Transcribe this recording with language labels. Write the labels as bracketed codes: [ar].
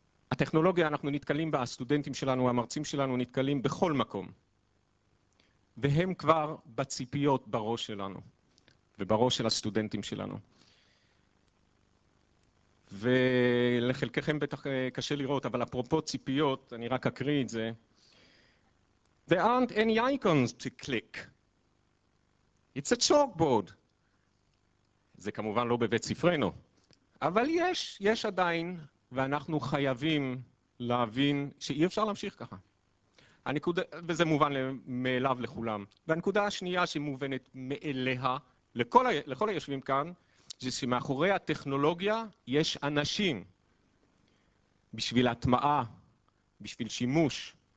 [he] הטכנולוגיה, אנחנו נתקלים בה, הסטודנטים שלנו, המרצים שלנו, נתקלים בכל מקום. והם כבר בציפיות בראש שלנו, ובראש של הסטודנטים שלנו. ולחלקכם בטח קשה לראות, אבל אפרופו ציפיות, אני רק אקריא את זה. [en] There aren't any icons to click. It's a chalkboard. [he] זה כמובן לא בבית ספרנו, אבל יש עדיין, ואנחנו חייבים להבין שאי אפשר להמשיך ככה. הנקודה, וזה מובן מאליו לכולם. והנקודה השנייה שמובנת מאליה לכל היושבים כאן, זה שמאחורי הטכנולוגיה יש אנשים בשביל הטמעה, בשביל שימוש.